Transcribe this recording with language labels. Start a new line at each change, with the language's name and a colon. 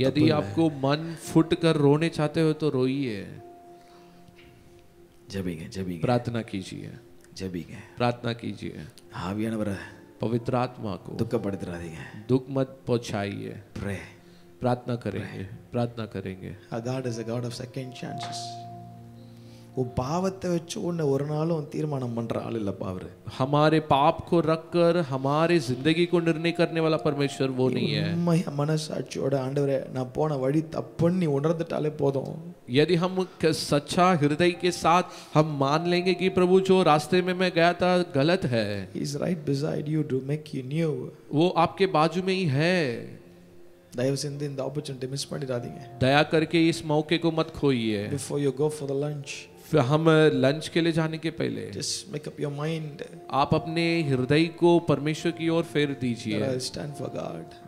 Hindi: यदि आपको मन फुट कर रोने चाहते हो तो रोइए प्रार्थना कीजिए प्रार्थना कीजिए पवित्र आत्मा को दुख पड़ते रहेंगे दुख मत पहुंचाइए प्रार्थना करेंगे प्रार्थना करेंगे
English: God is a God of second chances
Tamil: பாவத்தை வச்சு உன்னை ஒரு நாளும் தீர்மானம் பண்ற ஆள் இல்ல பாவரு
Hindi: हमारे पाप को रखकर हमारे जिंदगी को निर्णय करने वाला परमेश्वर वो नहीं है
Tamil: உம்மைய மனசாட்சியோட ஆண்டவரே நான் போன வழி தப்புன்னு நீ உணர்ந்துட்டாலே போதும்
Hindi: यदि हम सच्चा हृदय के साथ हम मान लेंगे कि प्रभु जो रास्ते में मैं गया था गलत है
English: He is right beside you to make you new
Hindi: वो आपके बाजू में ही है दया से
English: in the opportunity miss
Tamil: பண்ணிராதீங்க
Hindi: दया करके इस मौके को मत खोइए
English: before you go for the lunch
Hindi: हम लंच के लिए जाने के पहले
English: Just make up your mind.
Hindi: आप अपने हृदय को परमेश्वर की ओर फेर दीजिए
English: I'll stand for God.